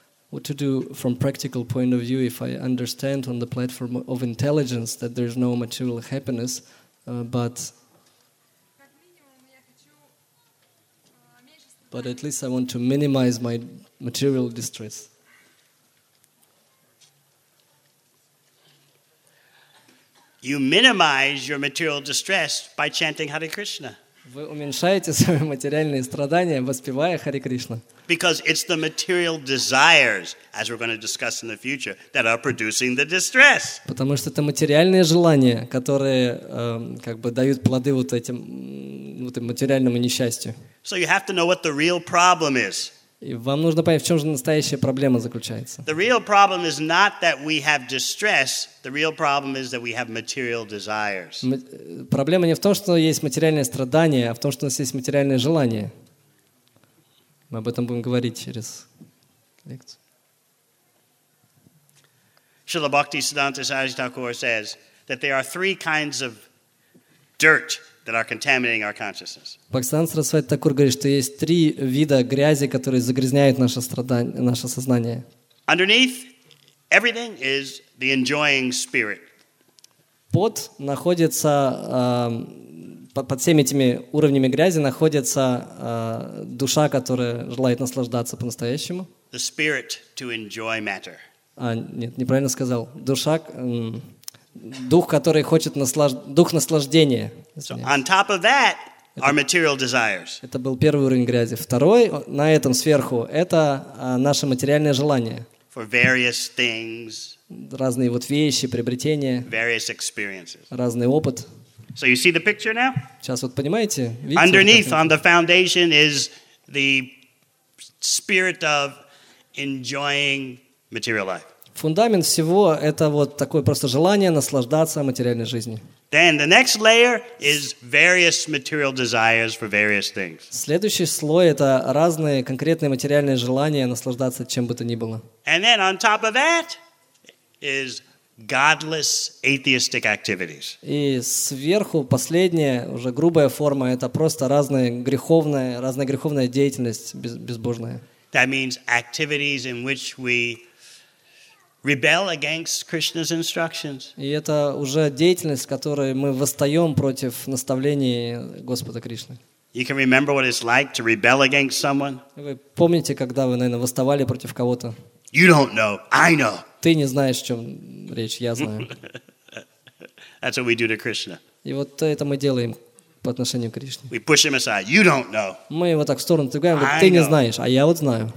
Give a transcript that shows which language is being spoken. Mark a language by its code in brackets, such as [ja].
[en] What to do from practical point of view if I understand on the platform of intelligence that there is no material happiness, but at least I want to minimize my material distress. You minimize your material distress by chanting Hare Krishna. [ru] Вы уменьшаете свои материальные страдания, воспевая Хари Кришна. [en] Because it's the material desires, as we're going to discuss in the future, that are producing the distress. [ru] Потому что это материальные желания, которые как бы дают плоды вот этим вот материальному несчастью. [en] So you have to know what the real problem is. [ru] И вам нужно понять, в чем же настоящая проблема заключается. [en] The real problem is not that we have distress. The real problem is that we have material desires. [ru] Проблема не в том, что есть материальные страдания, а в том, что у нас есть материальные желания. Мы об этом будем говорить через лекцию. [en] Шрила Бхакти Сиддханта Сарасвати Тхакур says that there are three kinds of dirt that are contaminating our consciousness. [ru] Бхактисиддханта Сарасвати Тхакур говорит, что есть три вида грязи, которые загрязняют наше сознание. [en] Underneath everything is the enjoying spirit. [ru] Под находится под всеми этими уровнями грязи находится душа, которая желает наслаждаться по-настоящему. [en] The spirit to enjoy matter. [ru] А, нет, неправильно сказал. Душа, дух, который хочет дух наслаждения. [en] So on top of that are material desires. [ru] Это был первый уровень грязи. Второй, на этом сверху, это наше материальное желание. [en] For various things. [ru] Разные вот вещи, приобретения. [en] Various experiences. [ru] Разный опыт. [en] So you see the picture now? [ru] Сейчас вот понимаете? Видите, [en] underneath, on the foundation, is the spirit of enjoying material life. [ru] Фундамент всего — это вот такое просто желание наслаждаться материальной жизнью. [en] Then the next layer is various material desires for various things. [ru] Следующий слой — это разные конкретные материальные желания наслаждаться чем бы то ни было. [en] And then on top of that is godless atheistic activities. [ru] И сверху последняя уже грубая форма — это просто разная греховная деятельность безбожная. [en] That means activities in which we rebel against Krishna's instructions. [ru] И это уже деятельность, в которой мы восстаем против наставлений Господа Кришны. [en] You can remember what it's like to rebel against someone. [ru] Вы помните, когда вы, наверное, восставали против кого-то? [en] You don't know. I know. [ru] Ты не знаешь, о чем речь, я знаю. [en] That's what we do to Krishna. [ru] И вот это мы делаем по отношению к Кришне. [en] We push him aside. You don't know. [ru] Мы его так в сторону тягаем, говорим, ты не знаешь, а я вот знаю.